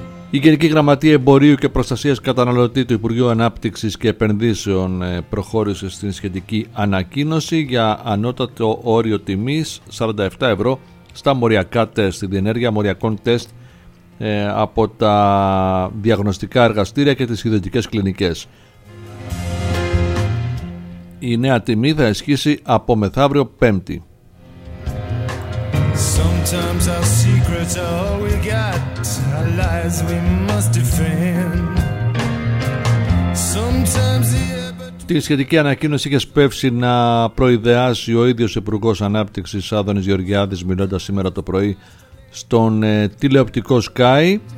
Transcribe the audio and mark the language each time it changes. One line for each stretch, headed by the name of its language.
Greek: Η Γενική Γραμματεία Εμπορίου και Προστασίας Καταναλωτή του Υπουργείου Ανάπτυξης και Επενδύσεων προχώρησε στην σχετική ανακοίνωση για ανώτατο όριο τιμής 47 ευρώ στα μοριακά τεστ, στη διενέργεια μοριακών τεστ από τα διαγνωστικά εργαστήρια και τις ιδιωτικές κλινικές. Η νέα τιμή θα ισχύσει από μεθαύριο Πέμπτη.
English: Sometimes our secrets are all we got, our lies we must defend. Sometimes the
Greek: Τη σχετική ανακοίνωση είχε σπεύσει να προειδεάσει ο ίδιος Υπουργός Ανάπτυξης Άδωνης Γεωργιάδης, μιλώντας σήμερα το πρωί στον τηλεοπτικό Sky.